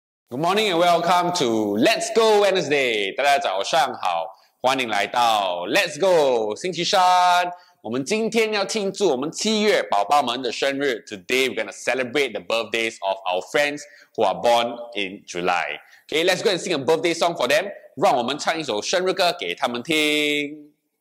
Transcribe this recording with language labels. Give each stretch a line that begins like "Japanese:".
English: Good morning and welcome to Let's Go Wednesday.
Chinese: 大家早上好，欢迎来到 Let's Go 星期三。我们今天要庆祝我们七月宝宝们的生日。
English: Today we're gonna celebrate the birthdays of our friends who are born in July. Okay, let's go and sing a birthday song for them.
Chinese: 让我们唱一首生日歌给他们听。